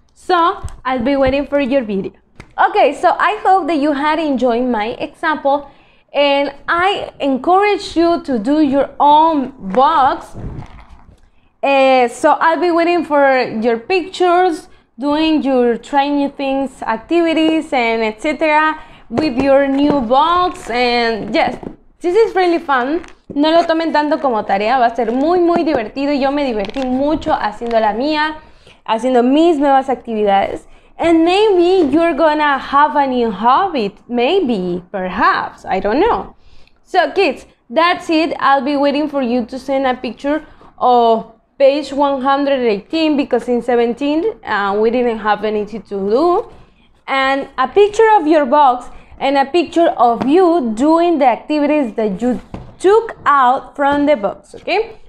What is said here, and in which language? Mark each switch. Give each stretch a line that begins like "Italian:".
English: So, I'll be waiting for your video. Okay, so I hope that you had enjoyed my example, and I encourage you to do your own box. So I'll be waiting for your pictures, doing your trying new things, activities, and etc. with your new box. And yes, this is really fun.
Spanish: No lo tomen tanto como tarea, va a ser muy muy divertido. Yo me divertí mucho haciendo la mía, haciendo mis nuevas actividades.
English: And maybe you're gonna have a new hobby, maybe, perhaps, I don't know. So kids, that's it. I'll be waiting for you to send a picture of page 118, because in 17 we didn't have anything to do, and a picture of your box and a picture of you doing the activities that you took out from the box, okay?